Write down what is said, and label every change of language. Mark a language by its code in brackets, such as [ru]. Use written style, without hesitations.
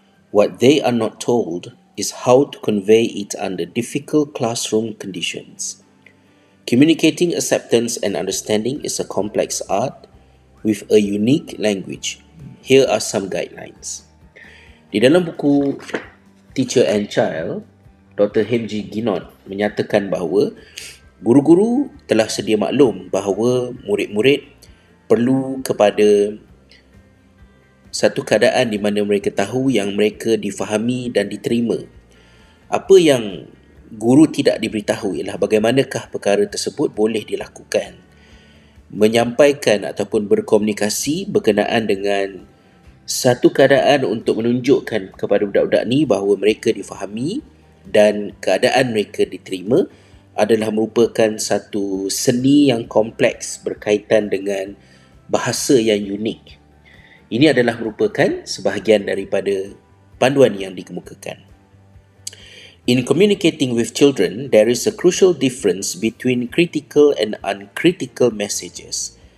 [en] What they are not told is how to convey it under difficult classroom conditions. Communicating acceptance and understanding is a complex art with a unique language. Here are some guidelines. [ms] Di dalam buku Teacher and Child, Dr. Hemji Ginot menyatakan bahawa guru-guru telah sedia maklum bahawa murid-murid perlu kepada satu keadaan di mana mereka tahu yang mereka difahami dan diterima. Apa yang guru tidak diberitahu ialah bagaimanakah perkara tersebut boleh dilakukan. Menyampaikan ataupun berkomunikasi berkenaan dengan satu keadaan untuk menunjukkan kepada budak-budak ni bahawa mereka difahami dan keadaan mereka diterima adalah merupakan satu seni yang kompleks berkaitan dengan bahasa yang unik. Ini adalah merupakan sebahagian daripada panduan yang dikemukakan. [en] In communicating with children, there is a crucial difference between critical and uncritical messages.